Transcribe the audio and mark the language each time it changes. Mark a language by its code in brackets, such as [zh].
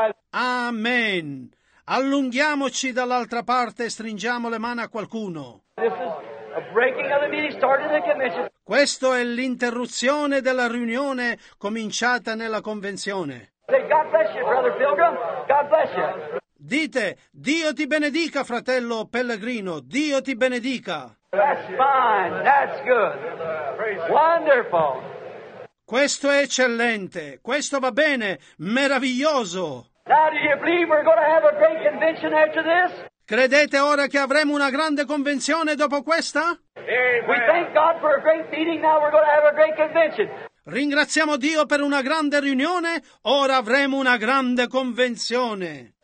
[it] Amen. Allunghiamoci dall'altra parte e stringiamo le mani a qualcuno. [en] A breaking of the meeting started the commission. [it] Questo è l'interruzione della riunione cominciata nella convenzione. [en] Say, God bless you, Brother Pilgrim. God bless you. [it] Dite, Dio ti benedica, fratello Pellegrino. Dio ti benedica. [en] That's fine. That's good. Wonderful. [it] Questo è eccellente. Questo va bene. Meraviglioso. [en] Now, do you believe we're going to have a great convention after this? [it] Credete ora che avremo una grande convenzione dopo questa? [en] We thank God for a great meeting, now we're going to have a great convention. [it] Ringraziamo Dio per una grande riunione, ora avremo una grande convenzione.